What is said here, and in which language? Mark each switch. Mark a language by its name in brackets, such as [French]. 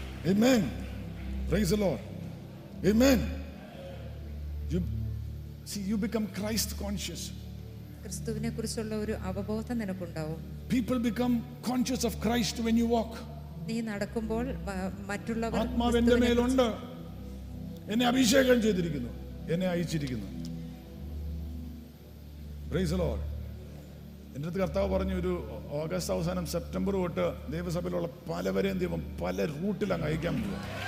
[English] Amen. Praise the Lord. Amen. You see, you become Christ conscious. [Malayalam] ക്രിസ്തുവിനെ കുറിച്ചുള്ള ഒരു അവബോധം നിനക്കുണ്ടാവും. [English] People become conscious of Christ when you walk. [Malayalam] നീ നടക്കുമ്പോൾ മറ്റുള്ളവർ ആത്മാവ് എന്റെ മേലുണ്ട്, എന്നെ അഭിഷേകം ചെയ്തിരിക്കുന്നു, എന്നെ അയച്ചിരിക്കുന്നു. [English] Praise the Lord. [Malayalam] എന്റെ അടുത്ത് കർത്താവ് പറഞ്ഞു, ഒരു ഓഗസ്റ്റ് അവസാനം സെപ്റ്റംബർ തൊട്ട് ദേവസഭയിലുള്ള പലവരെയും ദൈവം പല റൂട്ടിൽ അങ്ങ് അയക്കാൻ പോകും.